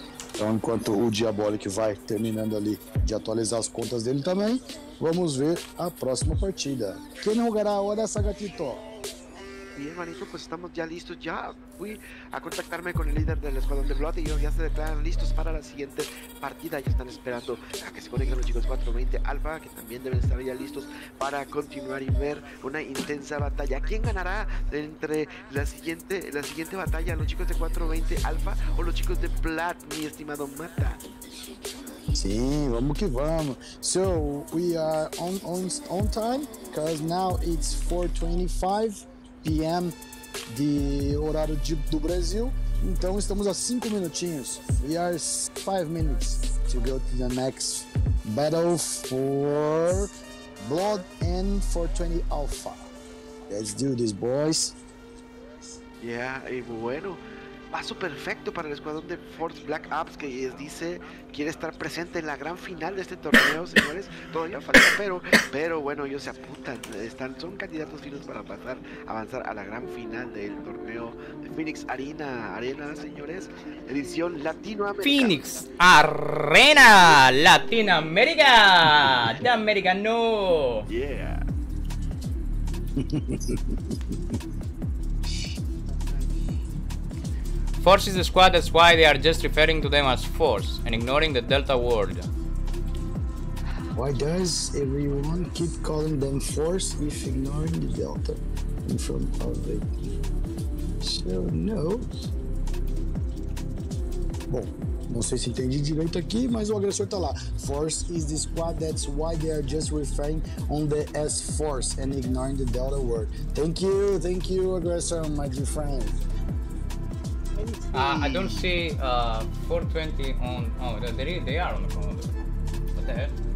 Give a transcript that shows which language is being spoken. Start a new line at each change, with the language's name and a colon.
Portuguese: Então, enquanto o Diabolik vai terminando ali de atualizar as contas dele também, vamos ver a próxima partida. Quem jogará a hora, Sagatito?
Spanish: Bien, hermanito, pues estamos ya listos. Ya fui a contactarme con el líder del escuadrón de Blood y ellos ya se declaran listos para la siguiente partida. Ya están esperando a que se conecten los chicos 420 Alpha, que también deben estar ya listos para continuar y ver una intensa batalla. ¿Quién ganará entre la siguiente batalla, los chicos de 420 Alpha o los chicos de Blood, mi estimado Mata?
Portuguese: Sim, vamos que vamos.
English: So, we are on time, because now it's 4:25 PM
Portuguese: de horário do Brasil. Então estamos a 5 minutinhos.
English: We are 5 minutes to go to the next battle for Blood and 420 Alpha. Let's do this, boys.
Spanish: Yeah, y bueno, paso perfecto para el escuadrón de Force Black Ops, que les dice quiere estar presente en la gran final de este torneo, señores. Todavía falta, pero bueno, ellos se apuntan, están, son candidatos finos para pasar, avanzar a la gran final del torneo de Phoenix Arena, señores, edición Latinoamérica. Phoenix Arena Latinoamérica, de América, no.
English: Yeah. Force is the squad, that's why they are just referring to them as Force and ignoring the Delta world. Why does everyone keep calling them Force if ignoring the Delta in front of it? So, no.
Portuguese: Bom, não sei se entendi direito aqui, mas o agressor tá lá.
English: Force is the squad, that's why they are just referring on the as Force and ignoring the Delta world. Thank you, aggressor, my dear friend. I don't see 420 on. Oh, they are on the phone. What the hell?